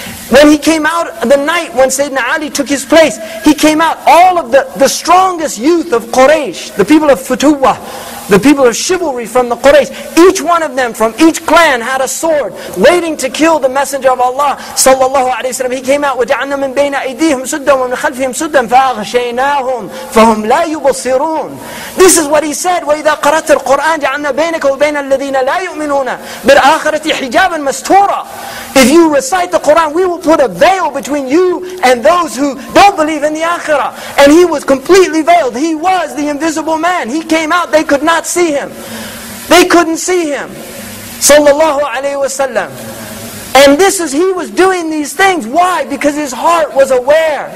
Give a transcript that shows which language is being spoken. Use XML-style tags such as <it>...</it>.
<en>When he came out the night when Sayyidina Ali took his place, he came out, all of the strongest youth of Quraysh, the people of Futuwah, the people of chivalry from the Quraysh, each one of them from each clan had a sword waiting to kill the Messenger of Allah sallallahu alaihi wasallam. He came out,</en> <ar>وَجَعَلْنَا مِنْ بَيْنَ أَيْدِيهِمْ سُدًّا وَمِنْ خَلْفِهِمْ سُدًّا فَأَغْشَيْنَاهُمْ فَهُمْ لَا يُبَصِرُونَ.</ar> <en>This is what he said,</en> <ar>وَإِذَا قَرَأْتَ الْقُرْآنَ جَعَلْنَا بَيْنَكَ وَبَيْنَ الَّذِينَ لَا يُؤْمِنُونَ بِالْآخِرَةِ حِجَابًا مَسْتُورًا.</ar> <en>If you recite the Quran, we will put a veil between you and those who don't believe in the Akhirah. And he was completely veiled. He was the invisible man. He came out, they could not see him. They couldn't see him. Sallallahu alayhi wa sallam. And this is, he was doing these things. Why? Because his heart was aware.</en>